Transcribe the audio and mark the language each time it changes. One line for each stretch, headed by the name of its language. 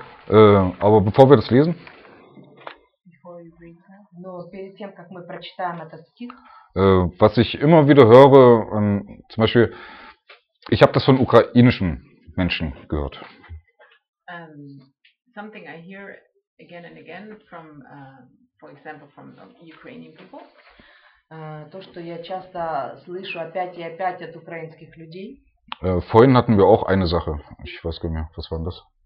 German: Aber bevor wir das lesen,
Russian: но перед тем, как мы прочитаем этот стих,
German: was ich immer wieder höre, zum Beispiel, ich habe das von ukrainischen Menschen gehört.
English: Something I hear again and again from, for example, from Ukrainian people.
Russian: То, что я часто слышу опять и опять от украинских людей.
German: Vorhin hatten wir auch eine Sache. Ich weiß gar nicht mehr, was war das?